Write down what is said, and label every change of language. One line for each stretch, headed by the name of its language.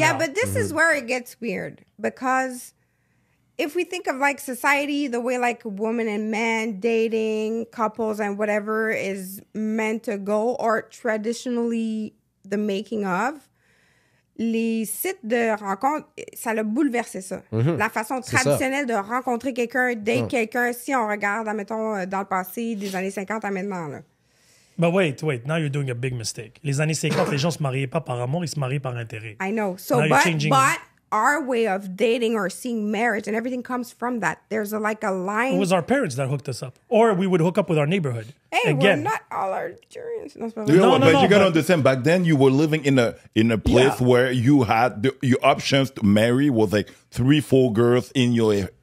English: Yeah, but this is where it gets weird, because if we think of like society, the way like women and men dating couples and whatever is meant to go, or traditionally the making of,
French: les sites de rencontre, ça l'a bouleversé ça. Mm-hmm. La façon traditionnelle de rencontrer quelqu'un, d'être quelqu'un, si on regarde, admettons, dans le passé, des années 50 à maintenant. Là.
English: But wait, now you're doing a big mistake.
French: Les années 50, les gens se mariaient pas par amour, ils se mariaient par intérêt.
English: I know. So, but our way of dating or seeing marriage and everything comes from that. There's a line. It was our parents that hooked us up. Or we would hook up with our neighborhood. Hey, again. We're not all our parents. You gotta understand, back then you were living in a place where you had the options to marry was like 3-4 girls in your